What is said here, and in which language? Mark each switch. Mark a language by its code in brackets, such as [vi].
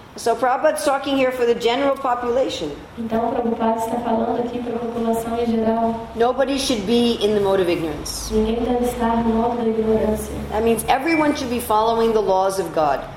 [en] So Prabhupada's talking here for the general population. [pt] Então Prabhupada está falando aqui para a população em geral. [en] Nobody should be in the mode of ignorance. [pt] Ninguém deve estar no modo da ignorância. [en] That means everyone should be following the laws of God.